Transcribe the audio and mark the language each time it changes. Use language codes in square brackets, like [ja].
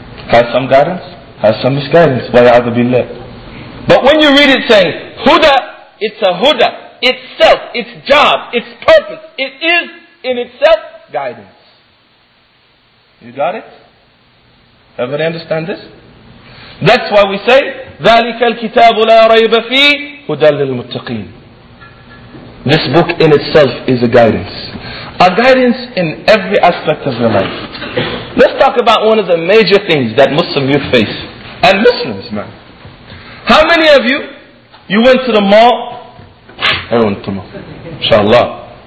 [en] Has some guidance, has some misguidance. [ar] وَيَعَذُ بِاللَّهِ. [en] But when you read it saying, huda, it's a huda. Itself, its job, its purpose, it is in itself guidance. You got it? Everybody understand this? That's why we say, [ar] ذَلِكَ الْكِتَابُ لَا رَيْبَ فِيهِ هُدًى لِلْمُتَّقِينَ. [en] This book in itself is a guidance. A guidance in every aspect of your life. Let's talk about one of the major things that Muslim youth face. And Muslims, man. How many of you, you went to the mall? Everyone to the mall. Inshallah.